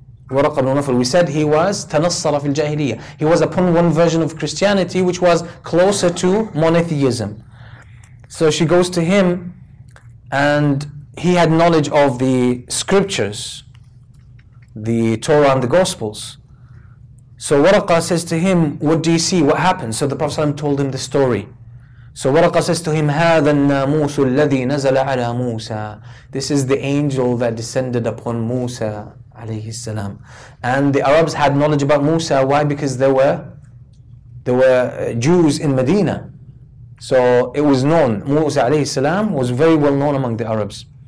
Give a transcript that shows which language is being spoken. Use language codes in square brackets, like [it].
[en] Waraqa ibn Nawfal, we said he was [ar] tanassara fil jahiliya. [en] He was upon one version of Christianity, which was closer to monotheism. So she goes to him, and he had knowledge of the scriptures, the Torah and the Gospels. So Waraqa says to him, what do you see? What happened? So the Prophet ﷺ told him the story. So Waraqa says to him, [ar] هَذَا النَّامُوسُ الَّذِي نَزَلَ عَلَىٰ مُوسَىٰ. [en] This is the angel that descended upon Musa alayhi salam. And the Arabs had knowledge about Musa. Why? Because there were Jews in Medina. So it was known. Musa alayhi salam was very well known among the Arabs.